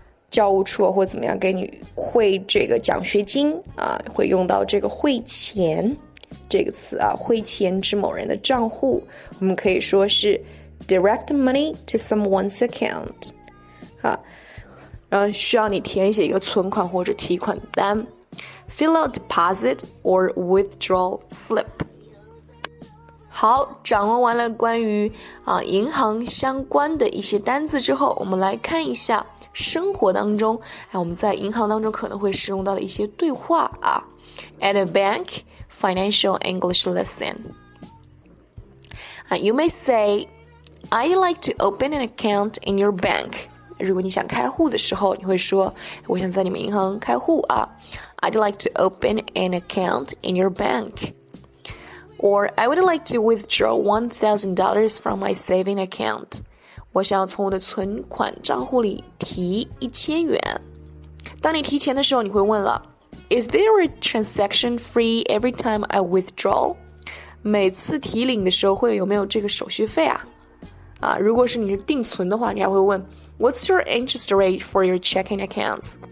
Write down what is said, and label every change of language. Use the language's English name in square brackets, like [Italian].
[Chinese] 教务处或怎么样给你汇这个奖学金啊会用到这个汇钱这个词啊汇钱至某人的账户我们可以说是 [English] direct money to someone's account, [Chinese] 啊然后需要你填写一个存款或者提款单 [English] fill out deposit or withdrawal slip。 [Chinese] 好，掌握完了关于银行相关的一些单字之后，我们来看一下生活当中，我们在银行当中可能会使用到的一些对话啊。 [English] At a bank, financial English lesson. You may say, I'd like to open an account in your bank. [Chinese] 如果你想开户的时候，你会说，我想在你们银行开户啊。 [English] I'd like to open an account in your bank. Or, I would like to withdraw $1,000 from my saving account. [Chinese] 我想要从我的存款账户里提1000元。当你提钱的时候，你会问了 [English] Is there a transaction fee every time I withdraw? [Chinese] 每次提领的时候会有没有这个手续费啊？如果是你是定存的话，你还会问 [English] What's your interest rate for your checking accounts?